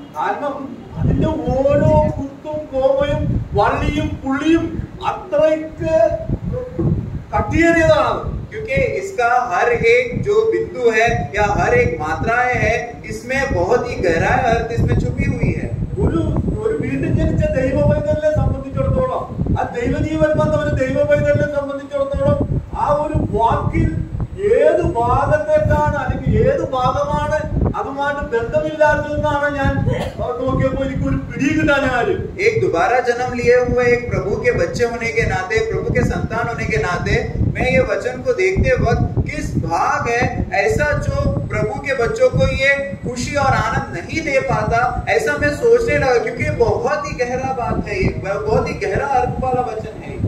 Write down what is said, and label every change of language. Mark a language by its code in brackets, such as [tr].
[hi] क्योंकि क्योंकि इसका हर एक जो बिंदु है या हर एक मात्रा है इसमें बहुत ही गहरा अर्थ इसमें छुपी हुई है। [ml] गुरु और वीर जन के दैव वैदल्य संबंधിച്ചിടത്തോളം ആ ദൈവ ജീവൻ ബന്ധം ഒരു ദൈവ വൈദല്യ സംബന്ധിച്ചിടത്തോളം ആ ഒരു വാക്കിൽ ഏത് ഭാഗത്തേക്കാണ് അല്ലെങ്കിൽ ഏത് ഭാഗമാണ് അതുമായിട്ട് ബന്ധമില്ലാത്തതെന്നാണ് ഞാൻ നോക്കിയപ്പോ എനിക്ക് ഒരു പിടി കിട്ടാനും [hi] एक दोबारा जन्म लिए हुए एक प्रभु के बच्चे होने के नाते प्रभु के संतान होने के नाते मैं ये वचन को देखते वक्त किस भाग है ऐसा जो प्रभु के बच्चों को ये खुशी और आनंद नहीं दे पाता ऐसा मैं सोचने लगा क्योंकि बहुत ही गहरा बात है ये बहुत ही गहरा अर्थ वाला वचन है।